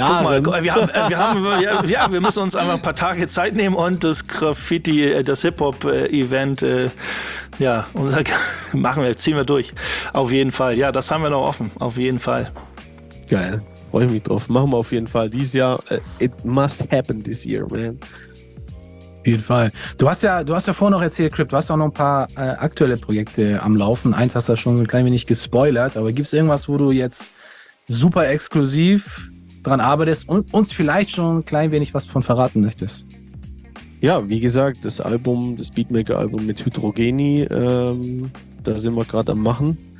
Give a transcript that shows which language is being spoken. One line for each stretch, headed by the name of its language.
German: Ach ja, Jahren. Guck mal, wir müssen uns einfach ein paar Tage Zeit nehmen und das Graffiti, das Hip-Hop-Event, ja, ziehen wir durch. Auf jeden Fall, ja, das haben wir noch offen, auf jeden Fall. Geil, freue ich mich drauf. Machen wir auf jeden Fall dieses Jahr.
English: It must happen this year, man.
German: Auf jeden Fall. Du hast ja vorhin noch erzählt, Crypt, du hast auch noch ein paar aktuelle Projekte am Laufen. Eins hast du ja schon ein klein wenig gespoilert, aber gibt es irgendwas, wo du jetzt super exklusiv dran arbeitest und uns vielleicht schon ein klein wenig was von verraten möchtest? Ja, wie gesagt, das Album, das Beatmaker-Album mit Hydrogeni, da sind wir gerade am Machen.